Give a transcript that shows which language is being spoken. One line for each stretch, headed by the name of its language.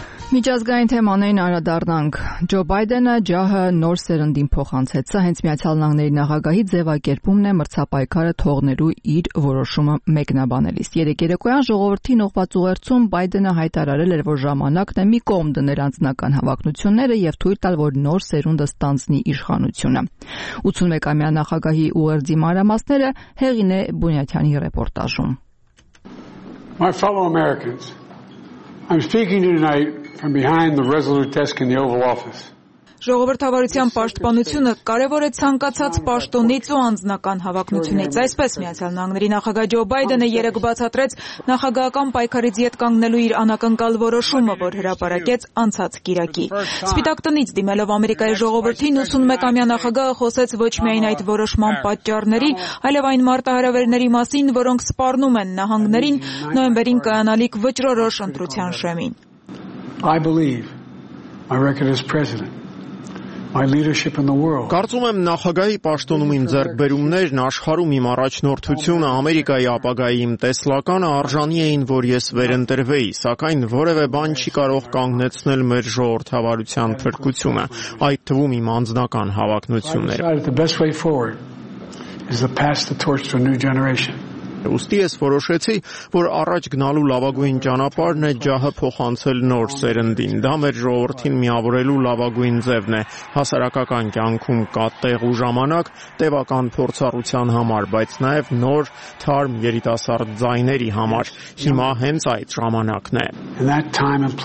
Armenian: Միջազգային թեմաներին առադառնանք։ Ջո Բայդենը ջահը նոր սերնդին փոխանցեց։ Սա հենց Միացյալ Նահանգների նախագահի ձևակերպումն է մրցապայքարը թողնելու իր որոշումը մեկնաբանելիս։ Երեկերեկոյան ժողովրդին ուղված ուղերձում Բայդենը հայտարարել էր, որ ժամանակն է մի կողմ դնել անձնական հավակնությունները և թույլ տալ, որ նոր սերունդը ստանձնի իշխանությունը։ 81-ամյա նախագահի ուղերձի մանրամասները Հեղինե Բունյատյանի ռեպորտաժում։
English: My fellow Americans, I'm speaking to you tonight from behind the Resolute desk in the Oval Office.
Armenian: Ժողովրդավարության պաշտպանությունը կարևոր է ցանկացած պաշտոնից ու անձնական հավակնությունից։ Այսպես Միացյալ Նահանգների նախագահ Ջո Բայդենը երեկ բացատրեց նախագահական պայքարից ետ կանգնելու իր անակնկալ որոշումը, որ հրապարակեց անցած կիրակի։ Սպիտակ տնից դիմելով Ամերիկայի ժողովրդին, 85-ամյա նախագահը խոսեց ոչ միայն այդ որոշման պատճառների, այլև այն մարտահրավերների մասին, որոնք սպառնում են նահանգներին նոյեմբերին կայանալիք վճռորոշ ընտրության շեմին։
English: My record as president, my leadership in the world.
Armenian: Կարծում եմ նախագահի պաշտոնում իմ ձեռքբերումներն աշխարհում իմ առաջնորդությունը, Ամերիկայի ապագայի իմ տեսլականը արժանի էին, որ ես վերընտրվեի, սակայն որևէ բան չի կարող կանգնեցնել մեր ժողովրդավարության փրկությունը, այդ թվում իմ անձնական հավակնությունները.
English: The best way forward is to pass the torch to a new generation.
Armenian: Ուստի ես որոշեցի, որ առաջ գնալու լավագույն ճանապարհն է ջահը փոխանցել նոր սերնդին։ Դա մեր ժողովրդին միավորելու լավագույն ձևն է հասարակական կյանքում կատեղ ու ժամանակ տևական փորձառության համար, բայց նաև նոր թարմ երիտասարդ ձայների համար։ Հիմա հենց այդ ժամանակն է։